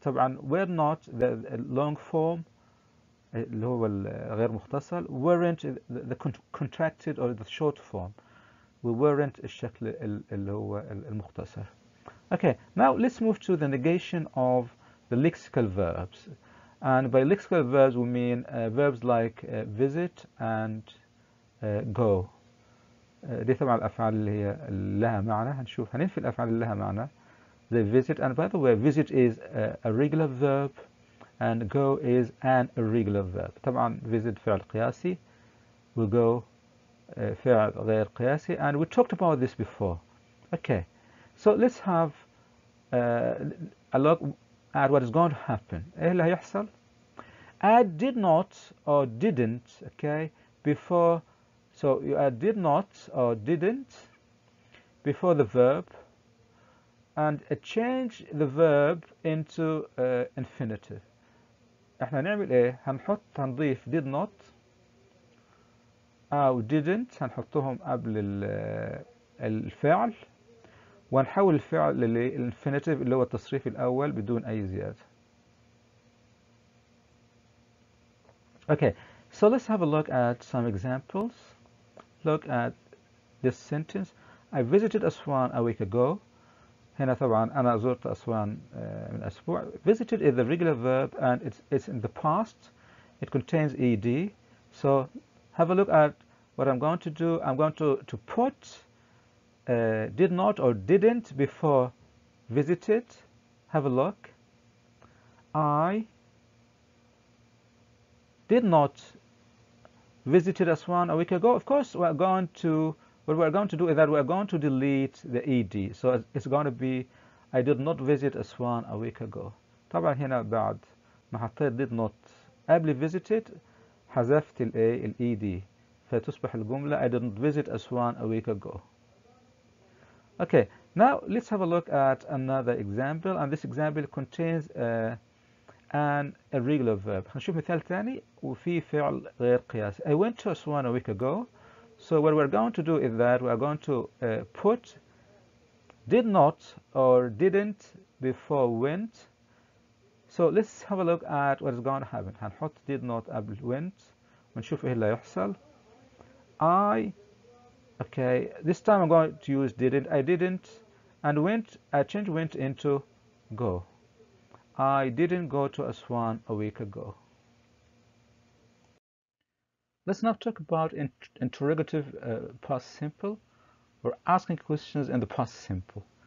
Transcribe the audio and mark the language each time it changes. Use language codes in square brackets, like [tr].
[en] طبعا were not the long form [ar] اللي هو الغير مختصر, [en] weren't the contracted or the short form, we weren't [ar] الشكل اللي هو المختصر. [en] Okay, now let's move to the negation of the lexical verbs. And by lexical verbs, we mean verbs like visit and go. [ar] دي طبعا الأفعال اللي هي لها معنى. هنشوف هننفي الأفعال اللي لها معنى زي visit. [en] And by the way, visit is a regular verb and go is an irregular verb. طبعا visit [ar] فعل قياسي, [en] we go [ar] فعل غير قياسي, [en] and we talked about this before. Okay, so let's have a look at what is going to happen. [ar] إيه اللي هيحصل؟ [en] add did not or didn't, okay, before. So you add did not or didn't before the verb, and change the verb into infinitive. [ar] احنا نعمل ايه؟ هنحط هنضيف did not او didn't, هنحطهم قبل الفعل, ونحول الفعل للانفينيتيف اللي هو التصريف الاول بدون اي زياده. [en] Okay, so let's have a look at some examples. Look at this sentence. I visited Aswan a week ago. [ar] هنا طبعا انا زرت اسوان من اسبوع. [en] Visited is the regular verb and it's in the past. It contains ed. So have a look at what I'm going to do. I'm going to put did not or didn't before visited. Have a look. I did not visited Aswan a week ago. Of course, what we're going to do is that we're going to delete the ed. So it's going to be I did not visit Aswan a week ago. [ar] طبعا هنا بعد ما حطيت did not قبل visited حذفت الed فتصبح الجملة [en] I did not visit Aswan a week ago. Okay, now let's have a look at another example, and this example contains an irregular verb. [ar] هنشوف مثال ثاني وفي فعل غير قياسي. [en] I went to Aswan a week ago. So what we're going to do is that we're going to put did not or didn't before went. So let's have a look at what is going to happen. [ar] هنحط did not قبل went ونشوف ايه اللي هيحصل. [en] Okay, this time I'm going to use didn't. I didn't and went, I changed went into go. I didn't go to Aswan a week ago. Let's now talk about interrogative past simple or asking questions in the past simple.